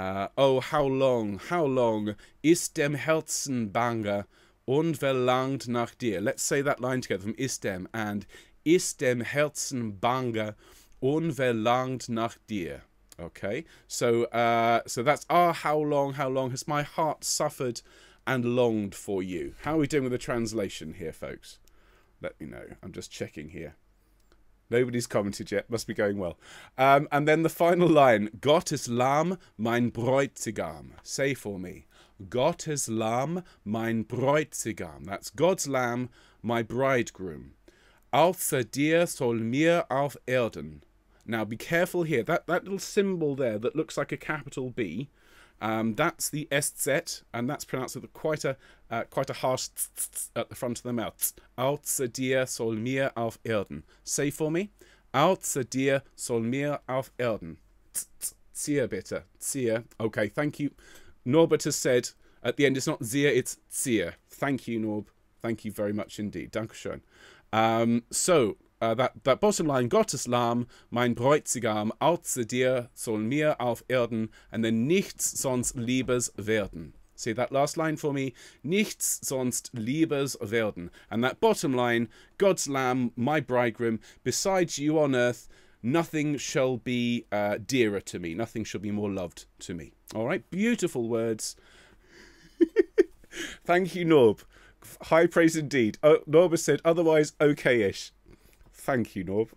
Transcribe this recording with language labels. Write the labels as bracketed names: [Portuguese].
[English] How long [German] ist dem Herzen bange und verlangt nach dir? [English] Let's say that line together from [German] ist dem [English] and [German] ist dem Herzen bange und verlangt nach dir. [English] Okay, so that's how long has my heart suffered and longed for you? How are we doing with the translation here, folks? Let me know. I'm just checking here. Nobody's commented yet. Must be going well. And then the final line. [German] Gottes Lamm, mein Bräutigam. [English] Say for me. [German] Gottes Lamm, mein Bräutigam. [English] That's God's Lamb, my bridegroom. [German] Außer dir soll mir auf Erden. [English] Now, be careful here. That little symbol there that looks like a capital B, that's the SZ, and that's pronounced with quite a harsh tss at the front of the mouth. [German] Außer dir soll mir auf Erden. [English] Say for me. [German] Außer dir soll mir auf Erden. Zier bitte. Zier. [English] Okay, thank you. Norbert has said at the end, it's not zier, it's zier. Thank you, Norb. Thank you very much indeed. [German] Dankeschön. [English] That bottom line, [German] Gottes Lamm, mein Bräutigam, außer dir soll mir auf Erden, [English] and then [German] nichts sonst liebes werden. [English] See that last line for me, [German] nichts sonst liebes werden. [English] And that bottom line, God's Lamb, my bridegroom, besides you on earth, nothing shall be dearer to me, nothing shall be more loved to me. All right, beautiful words. Thank you, Norb. High praise indeed. Norb has said, otherwise okay-ish. Thank you, Norb.